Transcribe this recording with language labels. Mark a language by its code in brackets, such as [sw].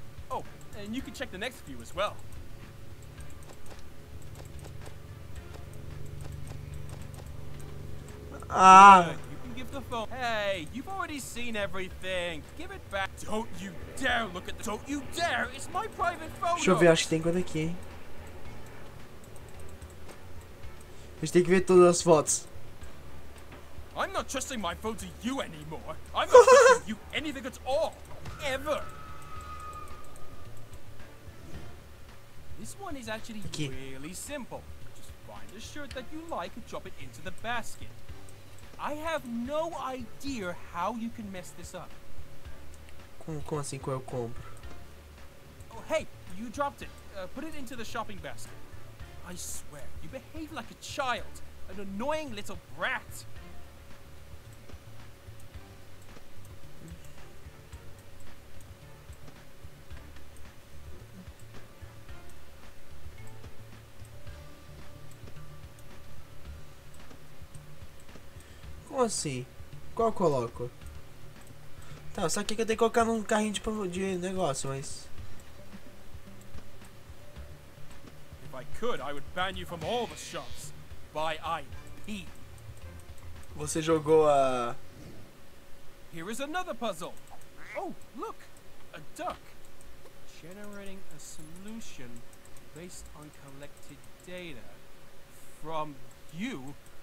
[en] Oh, and you can check the next view as well. Ah. You can give the phone. Hey, you've already seen everything. Give it back. Don't you dare look at the. Don't you dare. It's my private phone. [pt] Deixa eu ver, acho que tem coisa aqui, hein. A gente tem que ver todas as fotos. [en] I'm not trusting my phone to you anymore. I'm not trusting you anything at all. Ever. This one is actually [pt] aqui. [en] Really simple. Just find a shirt that you like and drop it into the basket. I have no idea how you can mess this up. [pt] Como assim, qual eu compro? [en] Oh, hey, you dropped it. Put it into the shopping basket. I swear, you behave like a child, an annoying little brat. [pt] Como assim? Qual eu coloco? Tá, só que eu tenho que colocar num carrinho de negócio, mas. [en] I would ban you from all the shops by IP. [pt] Você jogou a. [en] Here is another puzzle. Oh, look! A duck. Generating a solution based on collected data from you?